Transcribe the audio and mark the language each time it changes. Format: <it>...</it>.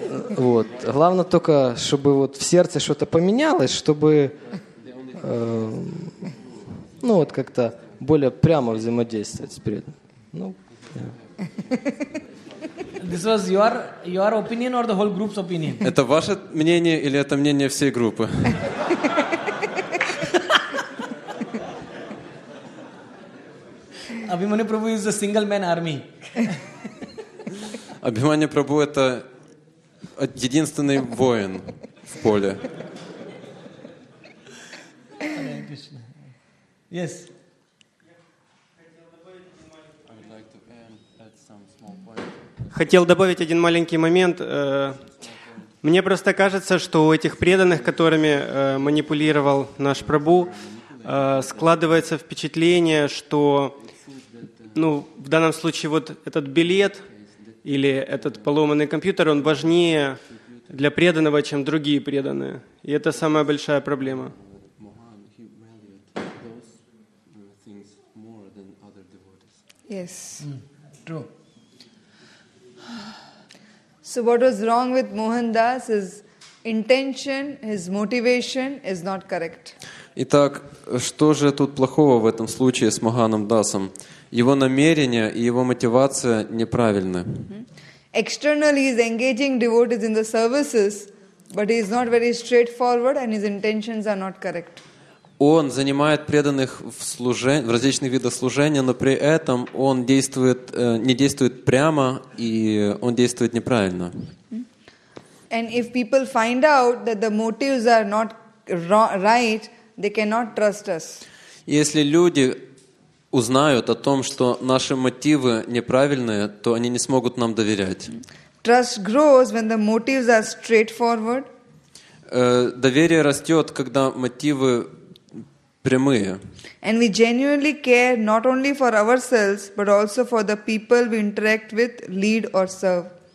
<ru>Вот. Главное только, чтобы вот в сердце что-то поменялось, чтобы ну вот как-то более прямо взаимодействовать с преданным. Ну,</ru> <en>yeah. This was your opinion or the whole group's opinion?</en> <ru>Это ваше мнение или это мнение всей группы?</ru> <en>Abhimanyu Prabhu is a single man army.</en> <ru>Abhimanyu Prabhu это единственный воин в поле.</ru> <en>Yes.</en> <ru>Хотел добавить один маленький момент. Мне просто кажется, что у этих преданных, которыми манипулировал наш Прабу, складывается впечатление, что ну, в данном случае вот этот билет или этот поломанный компьютер, он важнее для преданного, чем другие преданные. И это самая большая проблема.</ru> <en>Yes. So what was wrong with Mohandas is intention, his motivation is not correct.</en> <ru>Итак, что же тут плохого в этом случае с Моханом Дасом? Его намерения и его мотивация неправильны.</ru> <en>Externally, he's engaging devotees in the services, but he is not very straightforward, and his intentions are not correct.</en> <ru>Он занимает преданных в различных видах служения, но при этом он действует, не действует прямо, и он действует неправильно.</ru> <en>And if people find out that the motives are not right, they cannot trust us.</en> <ru>Если люди узнают о том, что наши мотивы неправильные, то они не смогут нам доверять.</ru> <en>Trust grows when the motives are straightforward.</en> <ru>Доверие растет, когда мотивы прямые.</ru> <en>And we genuinely care not only for ourselves, but also for the people we interact with, lead or serve.</en>